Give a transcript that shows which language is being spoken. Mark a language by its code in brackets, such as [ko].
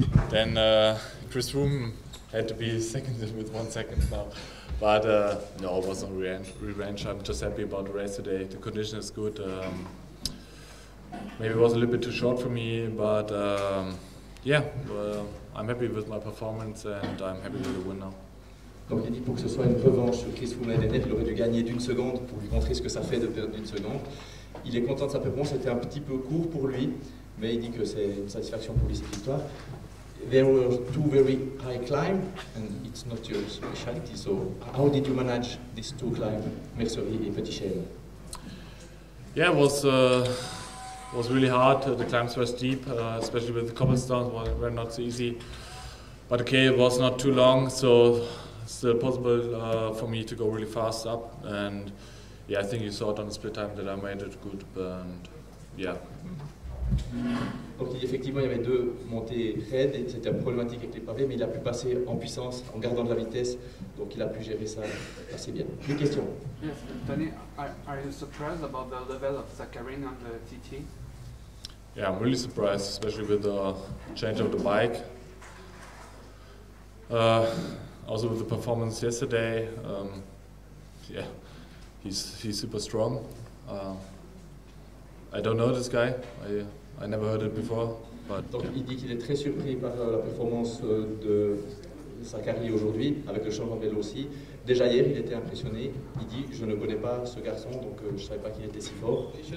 [en] Then Chris Froome had to be second with 1 second now. But no, it wasn't revenge. I'm just happy about the race today. The condition is good. Maybe it was a little bit too short for me, but I'm happy with my performance and I'm happy with the win now. [fr] Comme il a dit, pour que ce soit une revanche sur Chris Froome l'année dernière, il aurait dû gagner d'une seconde pour lui montrer ce que ça fait de perdre d'une seconde. Il est content de sa performance, c'était un petit peu court pour lui, mais il dit que c'est une satisfaction pour lui cette victoire. [en] There were two very high climbs, and it's not your specialty, so how did you manage these two climbs, Mercerie and Petit Chêne? Yeah, it was really hard. The climbs were steep, especially with the cobblestones, were not so easy. But okay, it was not too long, so still possible for me to go really fast up. And yeah, I think you saw it on the split time that I made it good, and yeah. [fr] Donc effectivement il y avait deux montées raides et c'était problématique avec les pavés, mais il a pu passer en puissance en gardant de la vitesse, donc il a pu gérer ça assez bien. Une question. [en] Yes, Tony, are you surprised about the level of Zakarin on the TT? Yeah, I'm really surprised, especially with the change of the bike. Also with the performance yesterday, he's super strong. I don't know this guy. I never heard it before. But [fr] donc yeah. Il dit qu'il est très surpris par la performance de Zakarin aujourd'hui avec le changement de vélo aussi. Déjà hier, il était impressionné. Il dit je ne connais pas ce garçon, donc je savais pas qu'il était si fort.